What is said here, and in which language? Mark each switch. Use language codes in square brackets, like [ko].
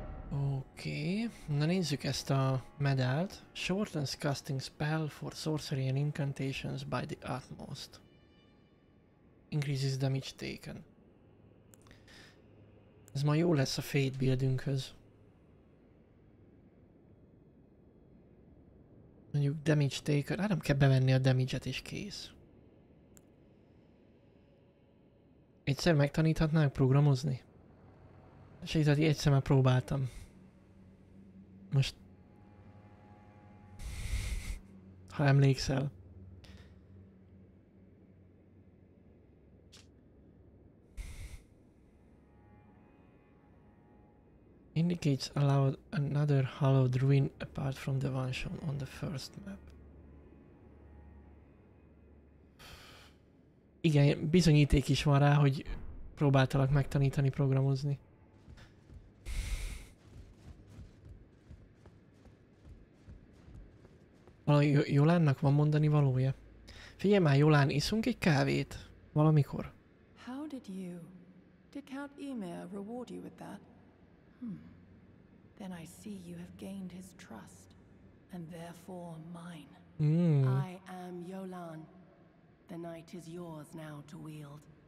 [hu] Oké, na nézzük ezt a medált. [en] Shortens casting spell for sorcery and incantations by the utmost. Increases damage taken. [hu] Ez ma jó lesz a fate buildünkhöz. Mondjuk damage taken, hát nem kell bevenni a damage-et is kész. Egyszer megtaníthatnánk programozni? Sőt, egyszer már próbáltam. Most, ha emlékszel. [en] Indicates allowed another hallowed ruin apart from the one shown on the first map. [hu] Igen, bizonyíték is van rá, hogy próbáltalak megtanítani programozni. Valami Jolánnak van mondani valója. Figyelj már, Jolán, iszunk egy kávét. Valamikor. [en] How did Count Ymir reward you with that? Then I see you have gained his trust, and therefore mine. Mm. I am Yolan. The knight is yours now to wield.